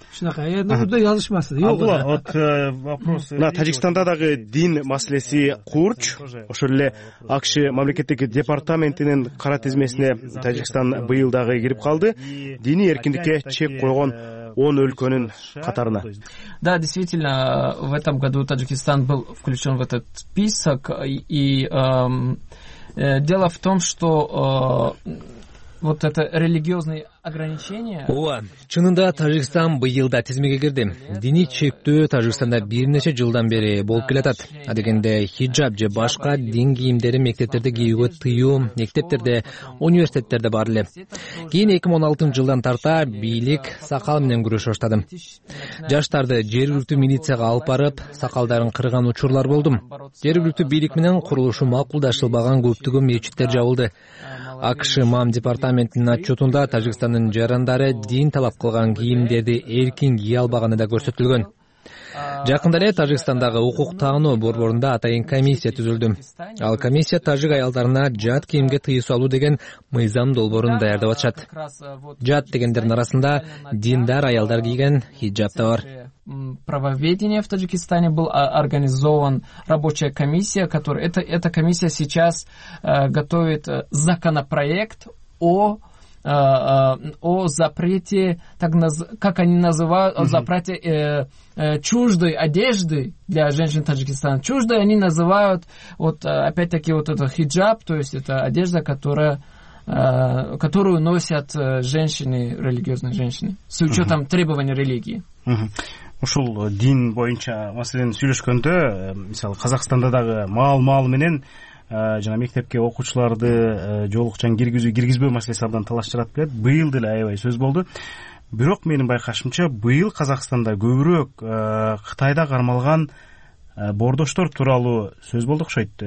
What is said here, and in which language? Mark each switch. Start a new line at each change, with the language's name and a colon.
Kyrgyz: Шунака, эми бирде жазышмасты.
Russian: Жок. Вот вопрос.
Kyrgyz: Мына Тажикстанда дагы дин маселеси курч, ошол эле АКШ мамлекеттик департаментинин кара тизмесине Тажикстан быйыл дагы кирип калды. Диний эркиндикке чек койгон 10 өлкөнүн катарына.
Russian: Да, действительно, в этом году Таджикистан был включен в этот список. И дело в том, что вот это религиозные ограничения...
Kyrgyz: Ооба, чынында Таджикистан быйылда тизмеге кирди. Диний чектөө Таджикистанда бир нече жылдан бери болуп келатат. Адегенде хиджаб же башка дин кийимдери мектептерде кийүүгө тыюу, мектептерде, университеттерде бар эле. Кийин 2016 жылдан тарта бийлик сакал менен күрөшө баштады. Жаштарды жергиликтүү милицияга алып барып, сакалдарын кырган учурлар болду. Жергиликтүү бийлик менен курулушу макулдашылбаган көптөгөн мечиттер жабылды. АКШ мам департаментинин отчетунда Таджикстандын жарандары дин талап кылган кийимдерди эркин кие албаганы да көрсөтүлгөн. Жакында эле Таджикстандагы укук таануу борборунда атайын комиссия түзүлдү. Ал комиссия тажик аялдарына жат кийимге тыюу салуу деген мыйзам долбоорун даярдап атышат. Жат дегендердин арасында диндар аялдар кийген хиджаб да бар.
Russian: Правоведение в Таджикистане был организован рабочая комиссия, которая эта комиссия сейчас готовит законопроект о запрете, как они называют, о запрете чуждой одежды для женщин Таджикистана. Чуждой они называют вот опять-таки вот это хиджаб, то есть это одежда, которую носят женщины, религиозные женщины, с учетом требований религии.
Kyrgyz: ушул дин боюнча маселени сүйлөшкөндө, мисалы Казакстанда дагы мал менен жана мектепке окуучуларды жолукчан киргизбөө маселеси абдан талаштырат келет. Быйыл деле аябай сөз болду. Бирок менин байкашымча быйыл Казакстанда көбүрөөк Кытайда кармалган бордоштор тууралуу сөз болду окшойт.